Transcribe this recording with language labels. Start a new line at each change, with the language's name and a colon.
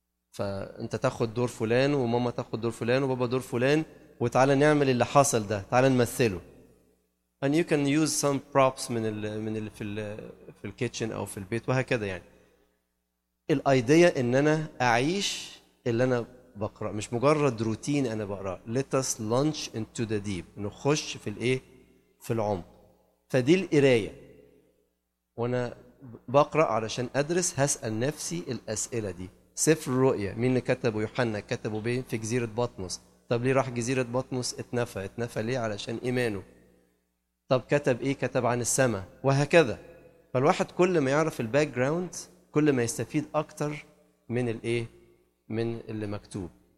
Arabic: فانت تاخد دور فلان وماما تاخد دور فلان وبابا دور فلان، وتعالى نعمل اللي حصل ده، تعالى نمثله.
English: And you can use some props
Arabic: من الـ في الكيتشن أو في البيت وهكذا. يعني الأيديا إن أنا أعيش اللي أنا بقرأ، مش مجرد روتين أنا بقرأ.
English: Let us launch into the deep،
Arabic: نخش في الإيه في العمق. فدي القراية، وأنا بقرأ علشان أدرس هسأل نفسي الأسئلة دي. سفر الرؤية مين اللي كتبه؟ يوحنا كتبه بين في جزيرة بطمس. طب ليه راح جزيرة بطمس؟ اتنفى ليه؟ علشان إيمانه. طب كتب ايه؟ كتب عن السماء وهكذا. فالواحد كل ما يعرف الباك جراوند كل ما يستفيد اكتر من الايه من اللي مكتوب.